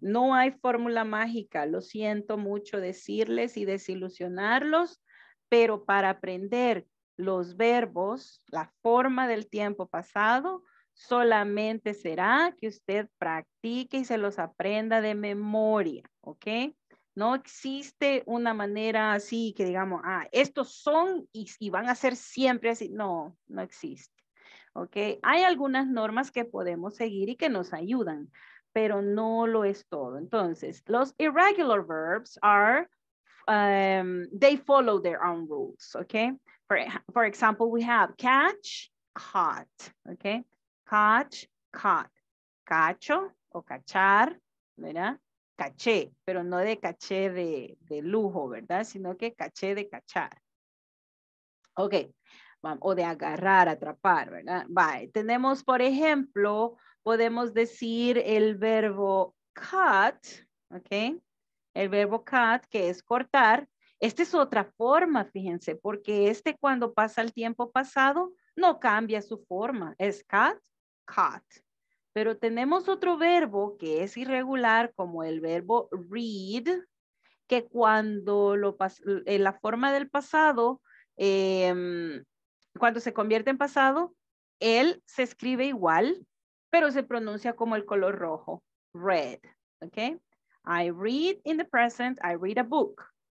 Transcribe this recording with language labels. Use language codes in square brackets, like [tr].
[es] No hay fórmula mágica. Lo siento mucho decirles y desilusionarlos, pero para aprender los verbos, la forma del tiempo pasado, solamente será que usted practique y se los aprenda de memoria, ¿ok? No existe una manera así que digamos, ah, estos son y van a ser siempre así. No, no existe. ¿Ok? Hay algunas normas que podemos seguir y que nos ayudan, pero no lo es todo. Entonces, los [en] irregular verbs are, they follow their own rules. ¿Ok? For example, we have catch, caught. ¿Ok? Catch, caught. [es] Cacho o cachar, ¿verdad? Caché, pero no de caché de lujo, ¿verdad? Sino que caché de cachar. Ok. O de agarrar, atrapar, ¿verdad? Bye. Tenemos, por ejemplo, podemos decir el verbo cut, ¿ok? El verbo cut, que es cortar. Esta es otra forma, fíjense, porque este cuando pasa el tiempo pasado no cambia su forma. Es cut, cut. Pero tenemos otro verbo que es irregular, como el verbo read, que cuando lo en la forma del pasado, cuando se convierte en pasado, él se escribe igual, pero se pronuncia como el color rojo, red. [en] Okay? I read in the present, I read a book.